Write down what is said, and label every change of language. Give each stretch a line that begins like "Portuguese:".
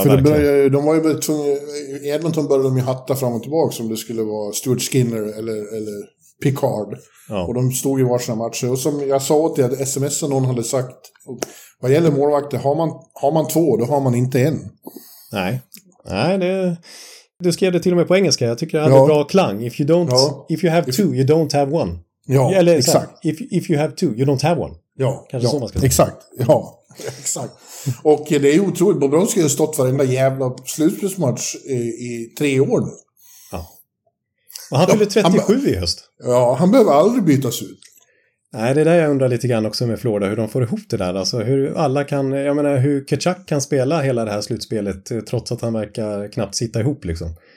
Swedish: för de var ju tvungna, i Edmonton började de ju hatta fram och tillbaka om det skulle vara Stuart Skinner eller Picard. Ja. Och de stod i varsina matcher. Och som jag sa åt dig, att sms någon hade sagt, vad gäller målvakter, har man två, då har man inte en. Nej, det är... Du skrev det till och med på engelska. Jag tycker det hade bra klang.
English: If you have two, you don't have one.
Swedish: Ja, exakt.
English: If you have two, you don't have one.
Swedish: Ja, exakt. Och det är otroligt. Bobrovski har stått varenda jävla slutspelsmatch i 3 år nu. Och han fyller 37 i höst. Ja, han behöver aldrig bytas ut. Nej, det är där jag undrar lite grann också med Florida, hur de får ihop det där. Alltså hur alla kan, jag menar, hur Tkachuk kan spela hela det här slutspelet trots att han verkar knappt sitta ihop liksom.